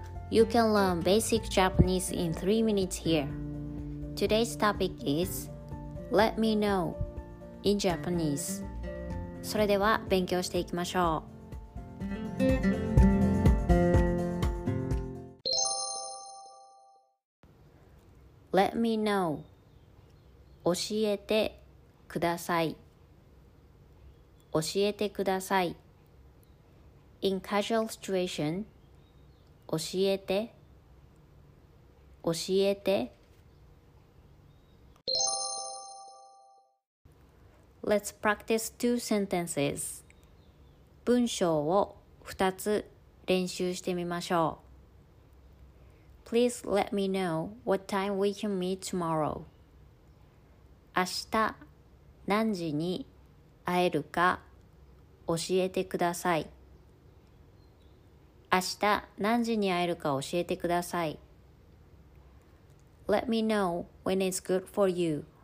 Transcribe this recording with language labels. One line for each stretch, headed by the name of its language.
English: You can learn basic Japanese in 3 minutes here. Today's topic is Let me know in Japanese.
Japanese: それでは勉強していきましょう。
English: Let me know.
Japanese: 教えてください。教えてください。
English: In casual situation,
Japanese: 教えて、教えて。
English: Let's practice two sentences.
Japanese: 文章を2つ練習してみましょう。
English: Please let me know what time we can meet tomorrow.
Japanese: 明日何時に会えるか教えてください。明日何時に会えるか教えてください。
English: Let me know when it's good for you.